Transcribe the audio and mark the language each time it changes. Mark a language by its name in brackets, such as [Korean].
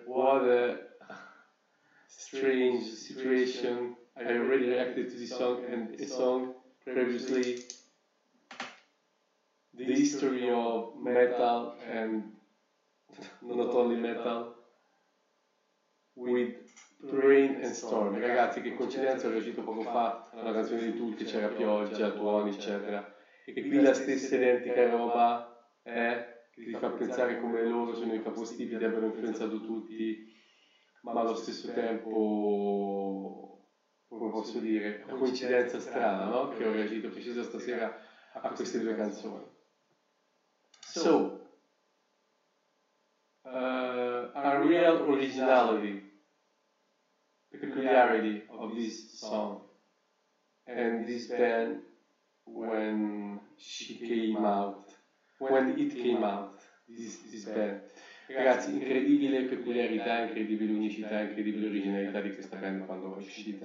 [English] What a strange situation. I already reacted to this song, and a song previously, the history of metal, and not only metal, with rain and storm. [Italian] Ragazzi, che coincidenza, ho reagito poco fa a una canzone di tutti, c'era pioggia, tuoni, eccetera, e qui la stessa identica roba è che ti fa pensare come loro sono i capostipiti, abbiano influenzato tutti, ma allo stesso tempo, come posso dire, coincidenza strana, no, che ho reagito precisa stasera a queste due canzoni. So [English] real originality, the peculiarity of this song. And this band, when she came out, when it came out, this band. [Italian] Ragazzi, incredibile peculiarità, incredibile unicità, incredibile originalità di questa band quando è uscita.